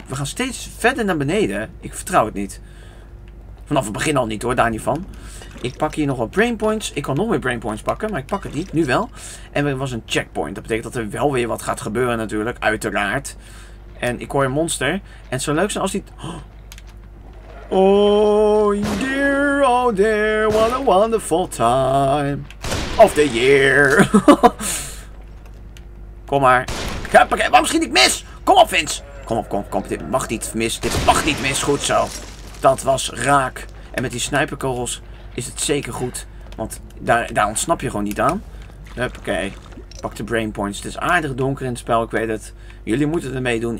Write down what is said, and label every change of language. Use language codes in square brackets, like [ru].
[nl] We gaan steeds verder naar beneden. Ik vertrouw het niet. Vanaf het begin al niet hoor, daar niet van. Ik pak hier nog wat brain points. Ik kan nog meer brain points pakken, maar ik pak het niet. Nu wel. En er was een checkpoint. Dat betekent dat er wel weer wat gaat gebeuren natuurlijk. Uiteraard. En ik hoor een monster. En het zou leuk zijn als die... [en] oh dear, what a wonderful time of the year. [nl] Kom maar. Huppakee, waarom schiet ik mis? Kom op, Vince. Kom op, kom op, kom op. Dit mag niet mis. Dit mag niet mis. Goed zo. Dat was raak. En met die sniperkogels is het zeker goed. Want daar ontsnap je gewoon niet aan. Huppakee. Pak de brain points. Het is aardig donker in het spel, ik weet het. Jullie moeten ermee doen.